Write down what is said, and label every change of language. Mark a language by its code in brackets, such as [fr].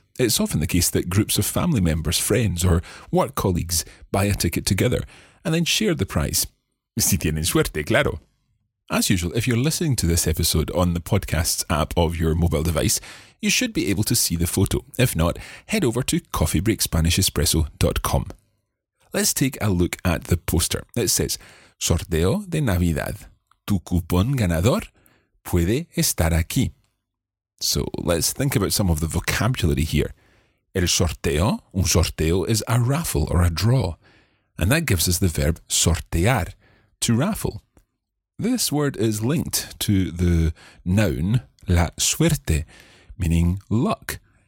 [en] It's often the case that groups of family members, friends, or work colleagues buy a ticket together, and then share the prize. [es] Si tienen suerte, claro. [en] As usual, if you're listening to this episode on the podcast app of your mobile device, you should be able to see the photo. If not, head over to coffeebreakspanishespresso.com. Let's take a look at the poster. It says, [es] Sorteo de Navidad. Tu cupón ganador puede estar aquí. [en] So let's think about some of the vocabulary here. El sorteo, un sorteo is a raffle or a draw. And that gives us the verb sortear, to raffle. This word is linked to the noun la suerte, meaning luck.